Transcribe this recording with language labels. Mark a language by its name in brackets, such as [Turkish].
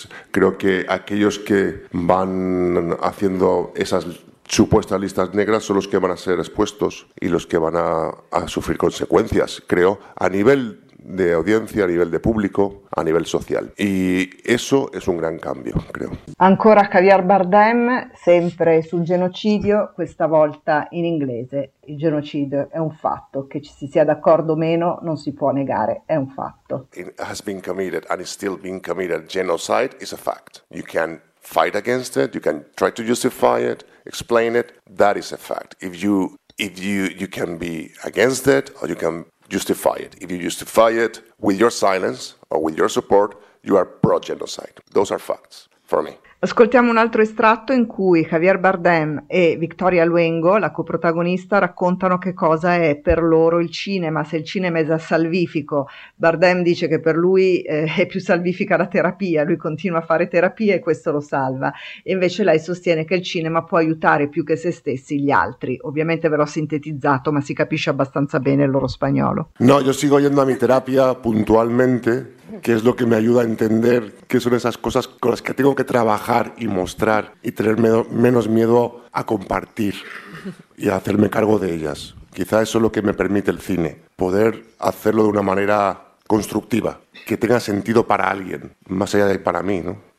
[Spanish] Creo que aquellos que van haciendo esas supuestas listas negras son los que van a ser expuestos y los que van a sufrir consecuencias, creo, a nivel de audiencia, a nivel de público, a nivel social. Y eso es un gran cambio, creo. [Italian] Ancora Javier Bardem, sempre sul genocidio, questa volta in inglese. Il genocidio è un fatto, che ci si sia d'accordo o meno non si può negare, è un fatto. [English] It has been committed and is still being committed. Genocide is a fact. You can fight against it, you can try to justify it, explain it, that is a fact. If you can be against it or you can justify it. If you justify it with your silence or with your support, you are pro-genocide. Those are facts for me. [Italian] Ascoltiamo un altro estratto in cui Javier Bardem e Victoria Luengo, la coprotagonista, raccontano che cosa è per loro il cinema, se il cinema è già salvifico. Bardem dice che per lui è più salvifica la terapia, lui continua a fare terapia e questo lo salva. E invece lei sostiene che il cinema può aiutare più che se stessi gli altri. Ovviamente ve l'ho sintetizzato, ma si capisce abbastanza bene il loro spagnolo. [Spanish] No, io sigo yendo a mi terapia puntualmente. Que es lo que me ayuda a entender qué son esas cosas con las que tengo que trabajar y mostrar y tener menos miedo a compartir y a hacerme cargo de ellas. Quizá eso es lo que me permite el cine, poder hacerlo de una manera constructiva, que tenga sentido para alguien, más allá de para mí, ¿no?